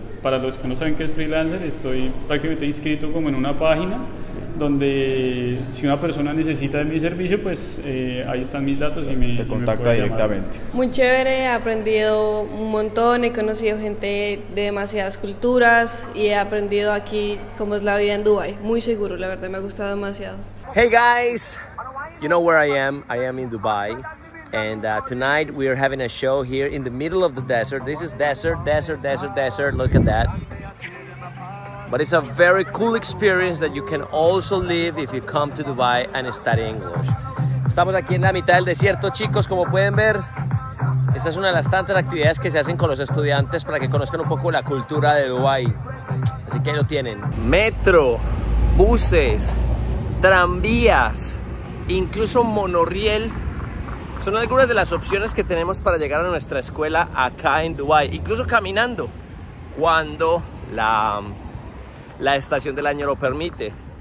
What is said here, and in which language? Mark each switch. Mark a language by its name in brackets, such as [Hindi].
[Spanish] Para los que no saben qué es freelancer, estoy prácticamente inscrito como en una página donde si una persona necesita de mi servicio, pues ahí están mis datos y me te contacta y me directamente. Llamar. Muy chévere, he aprendido un montón, he conocido gente de demasiadas culturas y he aprendido aquí cómo es la vida en Dubái. Muy seguro, la verdad, me ha gustado demasiado. [English] Hey guys, you know where I am? I am in Dubai, and tonight we are having a show here in the middle of the desert. This is desert. Look at that. But it's a very cool experience that you can also live if you come to Dubai and study English. [Spanish] Estamos aquí en la mitad del desierto, chicos. Como pueden ver, esta es una de las tantas actividades que se hacen con los estudiantes para que conozcan un poco la cultura de Dubai. Así que ahí lo tienen. Metro, buses, tranvías, incluso monorriel, son algunas de las opciones que tenemos para llegar a nuestra escuela acá en Dubái, incluso caminando, cuando la estación del año lo permite.